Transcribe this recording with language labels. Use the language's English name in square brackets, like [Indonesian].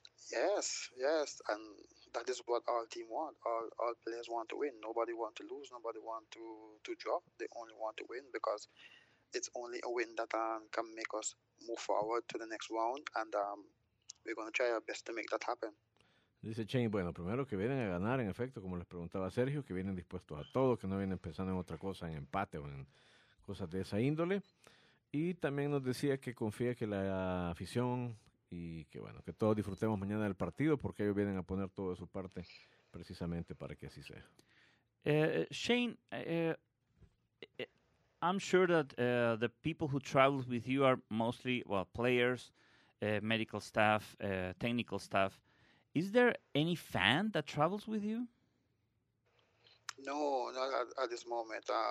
[English] Yes, yes, and that is what our team want. All players want to win. Nobody want to lose. Nobody want to drop. They only want to win because it's only a win that can make us move forward to the next round, and we're going to try our best to make that happen. [Spanish] Dice Chain, bueno, primero que vienen a ganar, en efecto, como les preguntaba Sergio, que vienen dispuestos a todo, que no vienen pensando en otra cosa, en empate o en cosas de esa índole. Y también nos decía que confía que la afición... Y que bueno, que todos disfrutemos mañana del partido porque ellos vienen a poner todo de su parte precisamente para que así sea. [English] Shane, I'm sure that the people who travel with you are mostly, well, players, medical staff, technical staff. Is there any fan that travels with you? No, not at this moment.